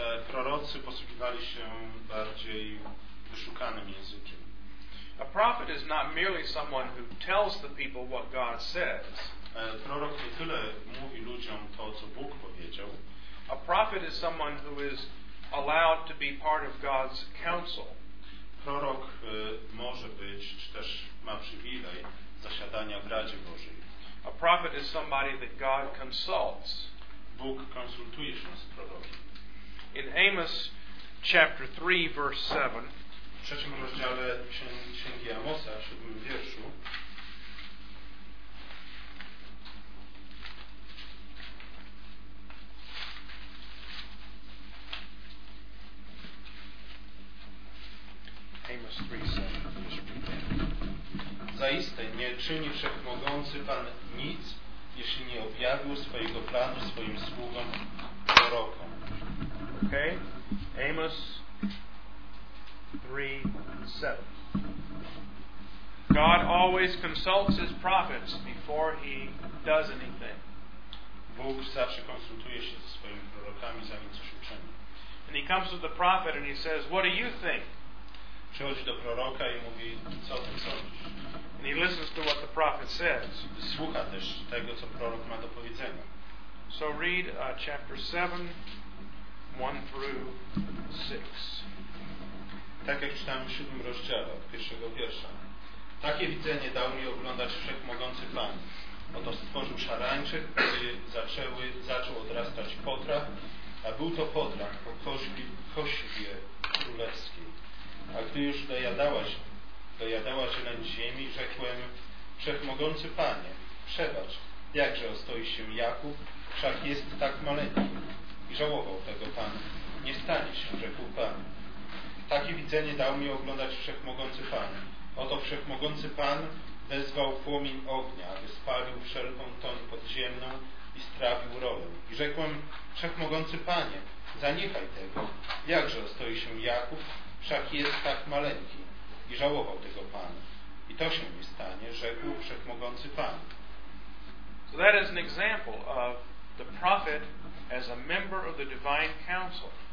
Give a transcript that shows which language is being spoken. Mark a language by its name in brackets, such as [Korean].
[Polish] Prorocy posługiwali się bardziej wyszukanym językiem. [English] A prophet is not merely someone who tells the people what God says. [Polish] Prorok nie tyle mówi ludziom to, co Bóg powiedział. [English] A prophet is someone who is allowed to be part of God's counsel. [Polish] Prorok może być, czy też ma przywilej zasiadania w Radzie Bożej. [English] A prophet is somebody that God consults. [Polish] Bóg konsultuje się z prorokiem. [English] In Amos chapter 3, verse 7, [Polish] w trzecim rozdziale Księgi Amosa, w siódmym wierszu, [English] Amos 3:7. [Polish] Zaiste, nie czyni Wszechmogący Pan nic, jeśli nie objawił swojego planu swoim sługom, prorokom. [English] Ok? Amos 3:7. God always consults his prophets before he does anything. [Polish] Bóg zawsze konsultuje się ze swoimi prorokami, zanim coś uczyni. [English] And he comes to the prophet and he says, what do you think? [Polish] Przychodzi do proroka i mówi, co ty sądzisz? [English] And he listens to what the prophet says. [Polish] Słucha też tego, co prorok ma do powiedzenia. [English] So read chapter 7, 1 through 6. [Polish] Tak jak czytałem w siódmym rozdziale od pierwszego wiersza. Takie widzenie dał mi oglądać Wszechmogący Pan. Oto stworzył szarańczyk, który zaczął odrastać potrach, a był to potrach po koźbie królewskiej. A gdy już dojadała się na ziemi, rzekłem, Wszechmogący Panie, przebacz, jakże ostoi się Jakub, wszak jest tak maleńki. I żałował tego Pan, nie stanie się, rzekł Pan. Takie widzenie dał mi oglądać Wszechmogący Pan. Oto Wszechmogący Pan wezwał płomień ognia, aby spalił wszelką toń podziemną i strawił rolę. I rzekłem: Wszechmogący Panie, zaniechaj tego. Jakże ostoi się Jakub, wszak jest tak maleńki. I żałował tego Pan. I to się nie stanie, rzekł Wszechmogący Pan. [English] So that is an example of the prophet as a member of the divine council.